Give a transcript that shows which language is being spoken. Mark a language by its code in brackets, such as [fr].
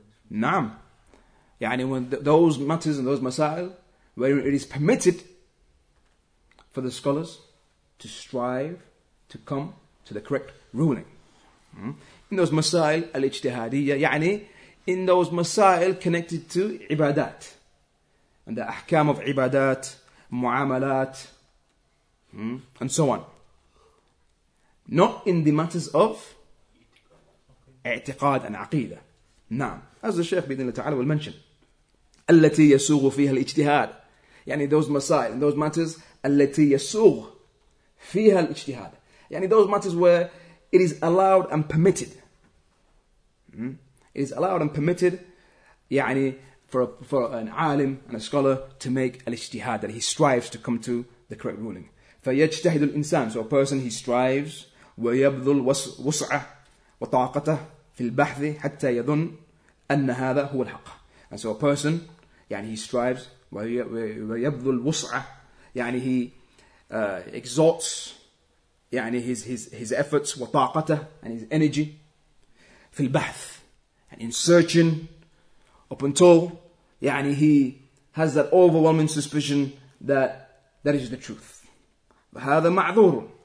[en] نعم يعني when those matters and those masail where it is permitted for the scholars to strive to come to the correct ruling in those masail al-ijtihadiyya يعني in those masail connected to ibadat and the ahkam of ibadat muamalat and so on not in the matters of i'tiqad and aqeedah نعم As the Shaykh bin Allah Ta'ala will mention. [ar] التي يسوغ فيها الاجتهاد. [en] يعني those masail, those matters. [ar] التي يسوغ فيها الاجتهاد. [en] يعني those matters where it is allowed and permitted. It is allowed and permitted. يعني for an alim and a scholar to make الاجتهاد. That he strives to come to the correct ruling. [ar] فيجتهد الإنسان. [en] So a person he strives. [ar] ويبذل وسعه وطاقته في البحث حتى يظن. أن هذا هو الحق. [en] And so a person, يعني he strives, [ar] ويبذل الوسعة, [en] يعني he exhorts, يعني his efforts, [ar] وطاقته, [en] and his energy, [ar] في البحث, [en] and in searching, up until, يعني he has that overwhelming suspicion that is the truth. [ar] هذا معذور.